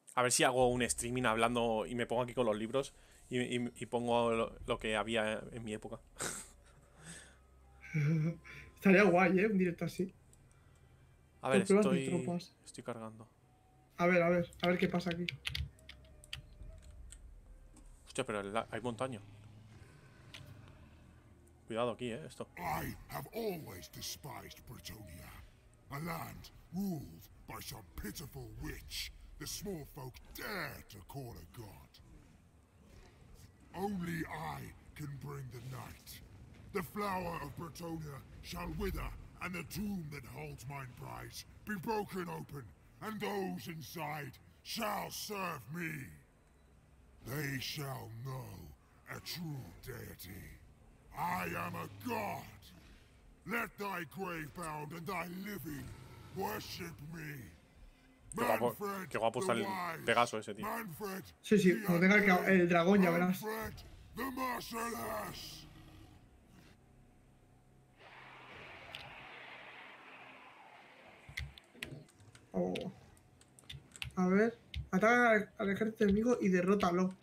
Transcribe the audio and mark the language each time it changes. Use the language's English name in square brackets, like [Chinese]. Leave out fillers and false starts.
[Spanish] si hago un streaming hablando y me pongo aquí con los libros. Y pongo lo que había en mi época. Estaría guay, ¿eh? Un directo así. A ver, estoy cargando. A ver qué pasa aquí. Hostia, pero hay montaña. Cuidado aquí, ¿eh? Esto. [English] I have always despised Bretonia. A land ruled by some pitiful witch. The small folk dare to call a god. Only I can bring the night. The flower of Bretonia shall wither and the tomb that holds mine prize be broken open, and those inside shall serve me. They shall know a true deity. I am a god. Let thy grave bound and thy living worship me. [Spanish] Manfred, qué guapo está el Pegaso ese, tío. Manfred, sí, sí, cuando tenga el dragón ya verás. Manfred, [English] the merciless. [Spanish] Oh. A ver, ataca al ejército enemigo y derrótalo.